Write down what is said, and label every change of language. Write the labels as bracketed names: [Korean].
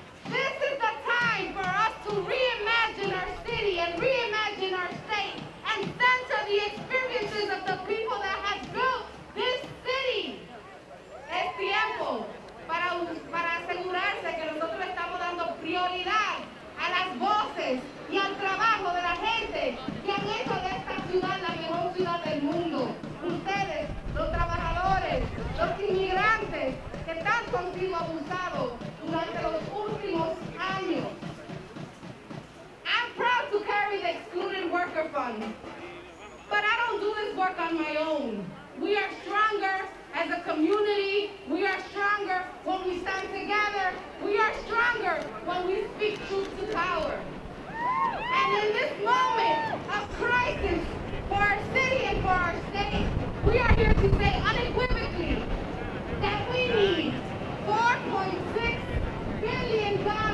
[English] This is the time for us to reimagine our city and reimagine our state and center the experiences of the people that have built this city. [Spanish] Es tiempo para asegurarse que nosotros estamos dando prioridad a las voces y al trabajo de la gente que han hecho de esta ciudad la mejor ciudad del mundo. Ustedes, los trabajadores, los inmigrantes que tanto han sido abusados durante los últimos años. [English] I'm proud to carry the Excluded Worker Fund, but I don't do this work on my own. We are stronger as a community. We are stronger when we stand together. We are stronger when we speak truth to power. And in this moment of crisis for our city and for our state, we are here to say unequivocally that we need $4.6 billion.